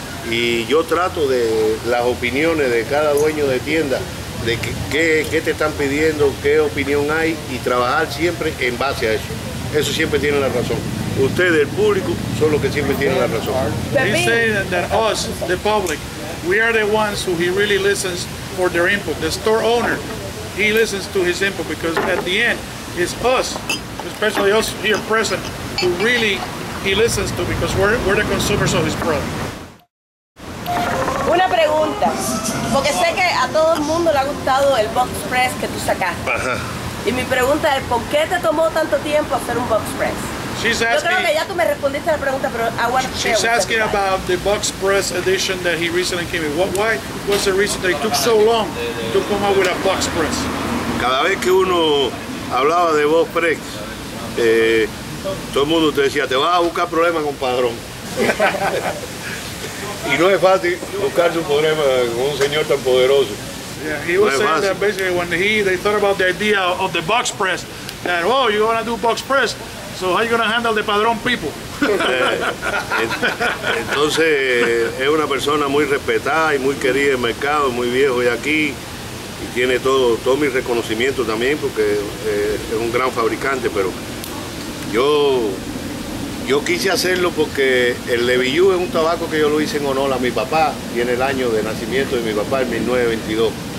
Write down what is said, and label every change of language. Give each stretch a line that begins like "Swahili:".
Spanish: Y yo trato de las opiniones de cada dueño de tienda, de qué te están pidiendo, qué opinión hay, y trabajar siempre en base a eso. Eso siempre tiene la razón. Ustedes, el público, son los que siempre tienen la razón.
English: He said that us, the public, we are the ones who he really listens for their input. The store owner, he listens to his input, because at the end, it's us, especially us here present, who really he listens to, because we're the consumers of his product.
Spanish: Una pregunta, porque sé que a todo el mundo le ha gustado el box press que tú sacaste. Ajá. Y mi pregunta es, ¿por qué te tomó tanto tiempo hacer un box press?
English: She's asking,
Spanish: yo creo que ya tú me respondiste la pregunta, pero aguanta.
English: She's asking about the box press edition that he recently came in. Why was the reason that it took so long to come out with a box press?
Spanish: Cada vez que uno hablaba de box press, todo el mundo te decía, te vas a buscar problemas con Padrón. Y no es fácil buscar su problema con un señor tan poderoso.
English: Yeah, he was saying that basically when they thought about the idea of the box press, that, oh, you're going to do box press, so how are you going to handle the Padrón people?
Spanish: Entonces, es una persona muy respetada y muy querida en el mercado, muy viejo y aquí, y tiene todo mi reconocimiento también, porque es un gran fabricante, pero yo quise hacerlo porque el Levillú es un tabaco que yo lo hice en honor a mi papá, tiene el año de nacimiento de mi papá, en 1922.